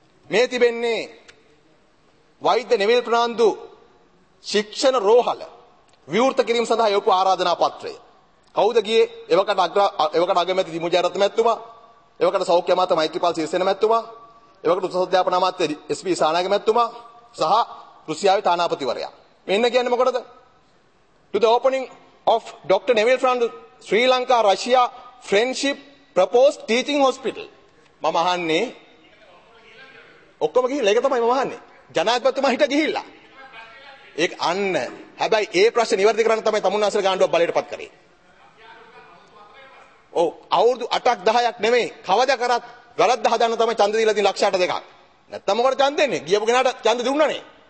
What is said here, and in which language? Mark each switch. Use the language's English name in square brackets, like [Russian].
[Sinhala] මේ තිබෙන්නේ වෛද්‍ය නෙවිල් ප්‍රනාන්දු ශික්ෂණ රෝහල විවෘත කිරීම සඳහා යොපු ආරාධනා පත්‍රය. කවුද ගියේ? එවකට අගමැති දිමු ජයරත්න මැතිතුමා, එවකට සෞඛ්‍ය අමාත්‍ය මෛත්‍රීපාල සිරිසේන මැතිතුමා, එවකට උසස් අධ්‍යාපන අමාත්‍ය SP සානාග මැතිතුමා සහ රුසියාවේ තානාපතිවරයා. මෙන්න කියන්නේ මොකටද? [English] To the opening of Dr. Neville from Sri Lanka Russia Friendship Proposed Teaching Hospital. [Sinhala] මම අහන්නේ ඔක්කොම ගිහිල්ලා, ඒක තමයි මම අහන්නේ. ජනාධිපතිතුමා හිට ගිහිල්ලා. ඒක අන්න. හැබැයි ඒ ප්‍රශ්න નિවර්ති කරන්න තමයි තමුන්නාසල ගාණ්ඩුවක් බලයට පත් කරේ. ඔව්, අවුරුදු 8ක් 10ක් නෙමෙයි. කවදා කරත් වැරද්ද හදන්න තමයි ඡන්ද දීලා තියෙන ලක්ෂ 82ක්. නැත්තම් මොකට ඡන්ද දෙන්නේ? ගියපු කෙනාට ඡන්ද දුන්නනේ.